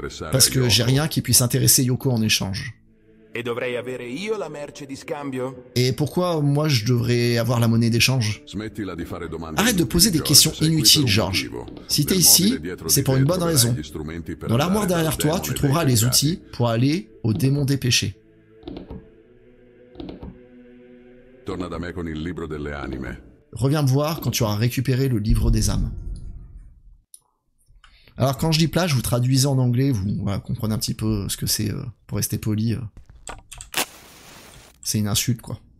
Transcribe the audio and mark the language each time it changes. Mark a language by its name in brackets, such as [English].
[French] Parce que j'ai rien qui puisse intéresser Yoko en échange. [Italian] E dovrei avere io la merce di scambio? [French] E pourquoi moi je devrais avoir la monnaie d'échange? [Italian] Smettila di fare domande. [French] Arrête de poser des questions inutiles, George. Si t'es ici, c'est pour une bonne raison. Dans l'armoire derrière toi, tu trouveras les outils pour aller au démon des péchés. [Italian] Torna da me con il libro delle anime. [French] Reviens me voir quand tu auras récupéré le livre des âmes. Alors quand je dis plage, vous traduisez en anglais, vous voilà, comprenez un petit peu ce que c'est, pour rester poli. C'est une insulte, quoi.